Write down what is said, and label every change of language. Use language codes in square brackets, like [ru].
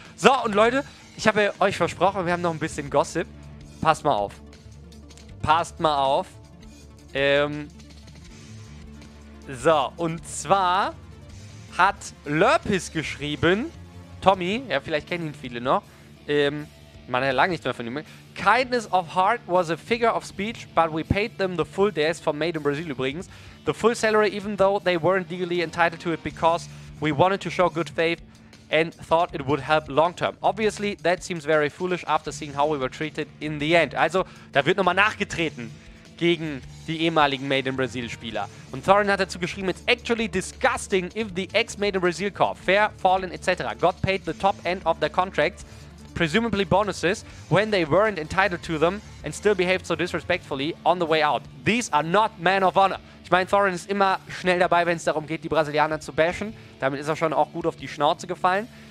[de] So, und Leute, ich habe euch versprochen, wir haben noch ein bisschen Gossip. Passt mal auf. Passt mal auf. So, und zwar hat Lerpis geschrieben, Tommy, ja, vielleicht kennen ihn viele noch, man hat lange nicht mehr von ihm. [en] Kindness of heart was a figure of speech, but we paid them the full DS from Made in Brazil übrigens. The full salary, even though they weren't legally entitled to it because we wanted to show good faith and thought it would help long term. Obviously, that seems very foolish after seeing how we were treated in the end. [de] Also, da wird nochmal nachgetreten gegen die ehemaligen Made in Brazil Spieler. Und Thorin hat dazu geschrieben, [en] it's actually disgusting if the ex-Made in Brazil Corps, fair, fallen, etc., got paid the top end of their contracts, presumably bonuses, when they weren't entitled to them and still behaved so disrespectfully on the way out. These are not men of honor. [de] Ich meine, Thorin ist immer schnell dabei, wenn es darum geht, die Brasilianer zu bashen. Damit ist er schon auch gut auf die Schnauze gefallen.